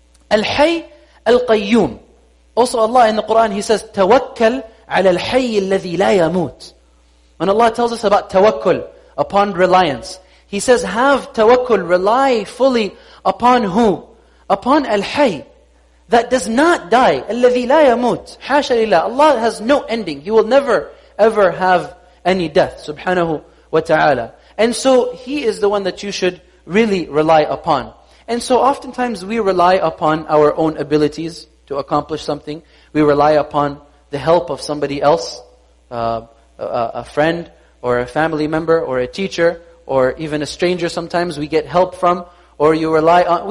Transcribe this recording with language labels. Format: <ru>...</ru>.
<en>Al-hayy al-qayyum. Also Allah in the Quran, He says,</en> <ar>تَوَكَّلْ عَلَى الْحَيِّ الَّذِي لَا يَمُوتِ</ar> <en>When Allah tells us about tawakkul, upon reliance, He says, have tawakkul, rely fully upon who? Upon al-hayy, that does not die.</en> <ar>الَّذِي لَا يَمُوتِ حَاشَ لِلَّهِ</ar> <en>Allah has no ending. He will never, ever have any death. Subhanahu wa ta'ala. And so He is the one that you should really rely upon. And so oftentimes we rely upon our own abilities to accomplish something. We rely upon the help of somebody else, a friend or a family member or a teacher or even a stranger sometimes we get help from, or you rely on.</en>